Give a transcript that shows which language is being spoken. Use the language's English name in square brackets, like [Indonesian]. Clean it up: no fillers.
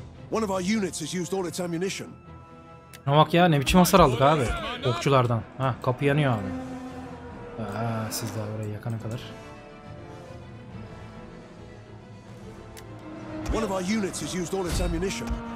[English] One of our units has used all its ammunition. [Turkish] Ne bak ya, ne biçim hasar aldık abi. Okçulardan. Ha, kapı yanıyor abi. Aa, siz de orayı yakana kadar. [English] One of our units has used all its ammunition.